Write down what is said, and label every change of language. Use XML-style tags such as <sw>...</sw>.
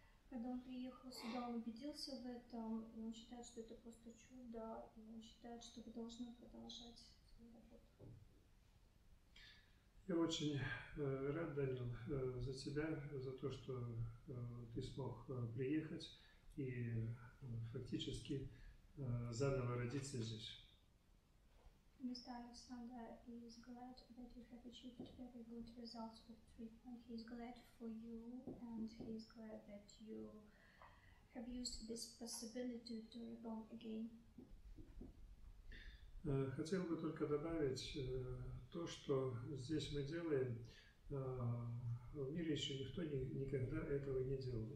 <ru>Когда он приехал сюда, он убедился в этом, и он считает, что это просто чудо, и он считает, что вы должны продолжать свою работу. Я очень рад, Данил, за тебя, за то, что ты смог приехать и фактически заново родиться здесь.</ru> <en>Mr. Alexander is glad that you have achieved very good results with treatment. He is glad for you and he is glad that you have used this possibility to reborn again.</en> <ru>Хотел бы только добавить то, что здесь мы делаем, в мире еще никто никогда этого не делал.</ru>